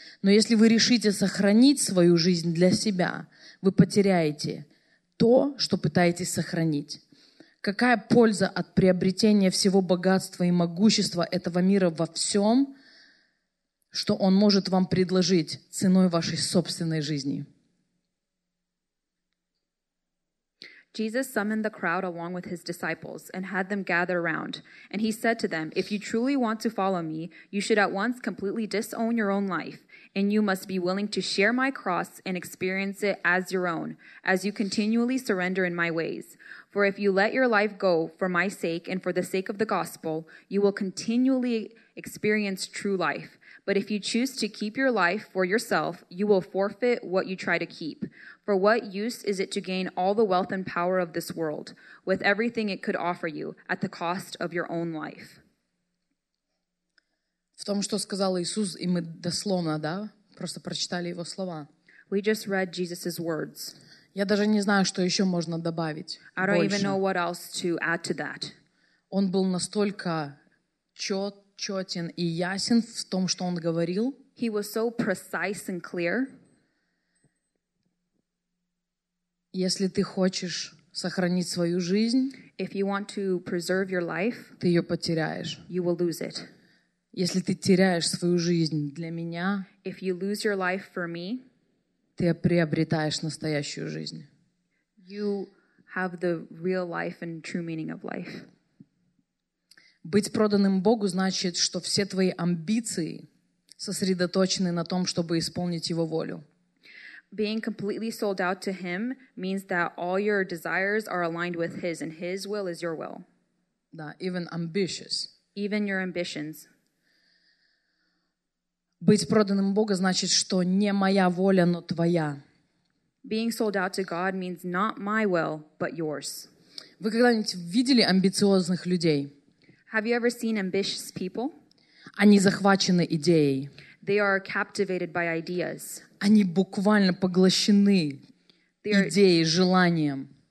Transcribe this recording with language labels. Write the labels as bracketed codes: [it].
[ru] Но если вы решите сохранить свою жизнь для себя, вы потеряете то, что пытаетесь сохранить. Какая польза от приобретения всего богатства и могущества этого мира во всем, что он может вам предложить ценой вашей собственной жизни? [en] Jesus summoned the crowd along with his disciples and had them gather around. And he said to them, if you truly want to follow me, you should at once completely disown your own life. And you must be willing to share my cross and experience it as your own, as you continually surrender in my ways. For if you let your life go for my sake and for the sake of the gospel, you will continually experience true life. But if you choose to keep your life for yourself, you will forfeit what you try to keep. For what use is it to gain all the wealth and power of this world, with everything it could offer you, at the cost of your own life? [ru] В том, что сказал Иисус, и мы дословно, да, просто прочитали его слова. [en] We just read Jesus's words. [ru] Я даже не знаю, что еще можно добавить. [en] I don't even know what else to add to that. [ru] Он был настолько четен и ясен в том, что он говорил. [en] He was so precise and clear. [ru] Если ты хочешь сохранить свою жизнь, [en] if you want to preserve your life, [ru] ты ее потеряешь. [en] You will lose it. [ru] Если ты теряешь свою жизнь для меня, [en] if you lose your life for me, [ru] ты приобретаешь настоящую жизнь. [en] You have the real life and true meaning of life. [ru] Быть проданным Богу значит, что все твои амбиции сосредоточены на том, чтобы исполнить Его волю. [en] Being completely sold out to Him means that all your desires are aligned with His, and His will is your will. Да, even ambitious. Even your ambitions. [ru] Быть проданным Богу значит, что не моя воля, но твоя. [en] Being sold out to God means not my will, but yours. [ru] Вы когда-нибудь видели амбициозных людей? [en] Have you ever seen ambitious people? [ru] Они захвачены идеей. [en] They are captivated by ideas. [ru] Они буквально поглощены идеей, желанием.